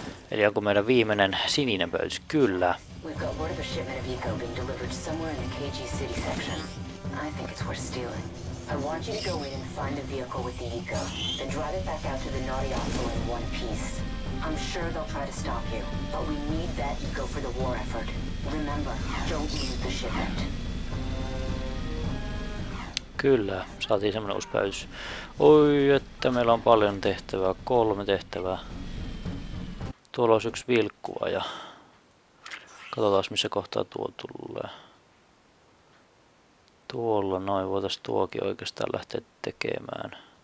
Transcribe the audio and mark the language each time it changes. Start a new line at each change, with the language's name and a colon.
Finnish: Eli onko meidän viimeinen sininen pöytys? Kyllä.
English: We've got word of a shipment of eco being delivered somewhere in the KG City section. I think it's worth stealing. I want you to go in and find the vehicle with the eco, then drive it back out to the Naughty Oslo in one piece. I'm sure they'll try to stop you, but we need that eco for the war effort. Remember, don't use the shipment.
Finnish: Kyllä, saatiin semmonen uusi päätys. Oi, että meillä on paljon tehtävää, 3 tehtävää. Tuolla olisi yksi vilkkuva ja katsotaan missä kohtaa tuo tulee. Tuolla noin, voitais tuokin oikeastaan lähteä tekemään.